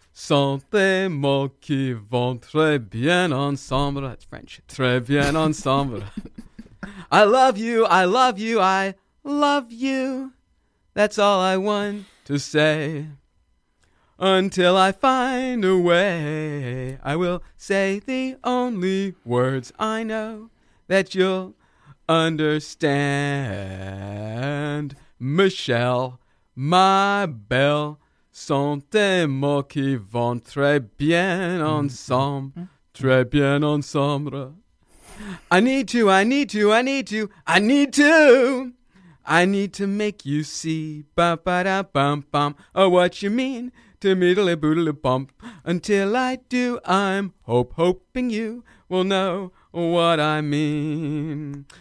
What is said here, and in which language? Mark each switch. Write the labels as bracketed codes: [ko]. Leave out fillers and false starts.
[fr] Sont des mots qui vont très bien ensemble. [en] It's French. [fr] Très bien ensemble. [en] I love you, I love you, I love you. That's all I want to say. Until I find a way, I will say the only words I know that you'll understand. Michelle, my belle, [fr] sont des mots qui vont très bien ensemble, très bien ensemble. [en] I need to, I need to, I need to, I need to. I need to make you see, ba ba da bum bum, oh, what you mean to me, to le boodle bump. Until I do, I'm hoping you will know what I mean.